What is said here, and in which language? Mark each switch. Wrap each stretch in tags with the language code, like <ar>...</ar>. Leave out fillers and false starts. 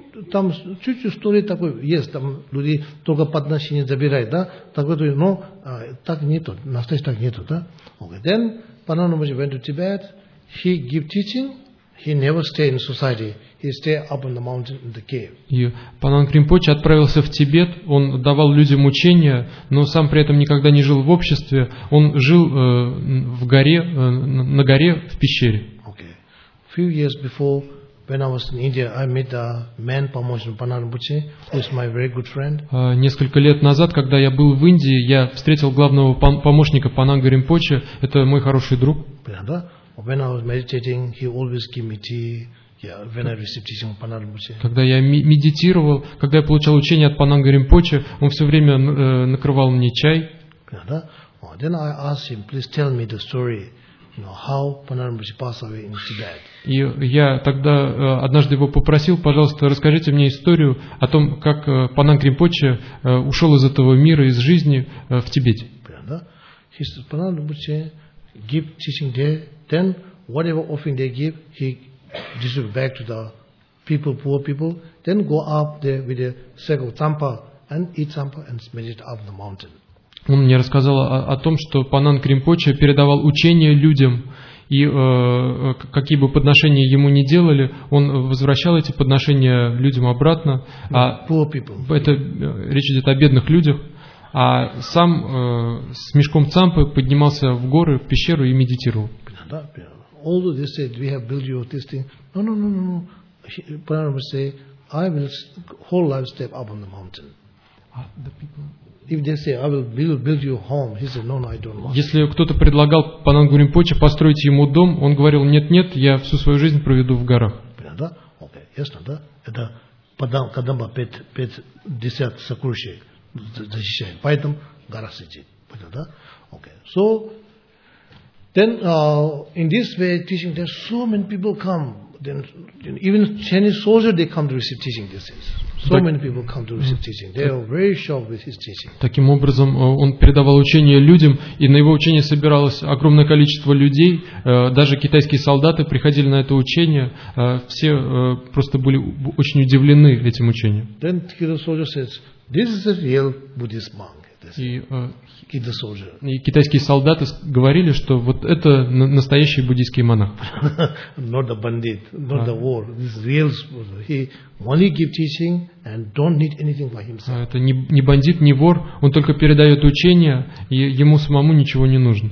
<ru>Там чуть-чуть история такой есть, там люди только по отношению забирают, да? Такой, но так нету, настоящий так нету, да?</ru> <en>Okay. Then Панарамбуче went to Tibet, he give teaching, he never stay in society, he stay up on the mountain in the cave.</en> <ru>И Пананг Ринпоче отправился в Тибет, он давал людям учения, но сам при этом никогда не жил в обществе, он жил в горе, на горе, в пещере.</ru> <en>Okay. Few years before, When I was in India, I met a man,</en> <ru>помощник</ru> <en>по нарабуче, who is my very good friend.</en> <ru>Несколько лет назад, когда я был в Индии, я встретил главного помощника Пананга Ринпоче. Это мой хороший друг.</ru> <en>When I was meditating, he always gave me tea. Yeah, when I received teaching from Панарабуче.</en> <ru>Когда я медитировал, когда я получал учение от Пананга Ринпоче, он все время накрывал мне чай.</ru> <en>Then I asked him, please tell me the story. How Панарабуче passed away in Tibet.</en> <ru>И я тогда однажды его попросил, пожалуйста, расскажите мне историю о том, как Пананг Ринпоче ушел из этого мира, из жизни в Тибете.</ru> <en>Панарабуче give teaching there, then whatever offering they give, he distribute back to the people, poor people, then go up there with a sack of tampa and eat tampa and meditate up the mountain.</en> <ru>Он мне рассказал о том, что Пананг Ринпоче передавал учение людям, и какие бы подношения ему ни делали, он возвращал эти подношения людям обратно.</ru> <en>Poor people.</en> <ru>Это речь идет о бедных людях, а сам с мешком цампы поднимался в горы, в пещеру и медитировал.</ru> <en>Although they said we have built you of this thing, no. Пананг would say, I will whole life step up on the mountain. The people. If they say, I will build you a home, he said, no, I don't want.</en> <ru>Если кто-то предлагал Панангу Ринпоче построить ему дом, он говорил, нет, я всю свою жизнь проведу в горах. Да? Окей, ясно, да? Это Кадамба 50 сокровищ защищает. Поэтому гора сидит. Понял, да? Окей.</ru> <en>So, then, in this way, teaching, there's so many people come. Then even Chinese soldiers, they come to receive teaching, they say. So many people come to receive teaching. They are very shocked with his teaching.</en> <ru>Таким образом, он передавал учение людям, и на его учение собиралось огромное количество людей. Даже китайские солдаты приходили на это учение. Все просто были очень удивлены этим учением.</ru> <en>Then Kido soldier says, "This is a real Buddhist monk." Kido soldier.</en> <ru>И китайские солдаты говорили, что вот это настоящий буддийский монах.</ru> <en>Not a bandit, not a war. This is real. He only give teaching and don't need anything for himself.</en> <ru>Это не бандит, не вор. Он только передает учение, и ему самому ничего не нужно.</ru>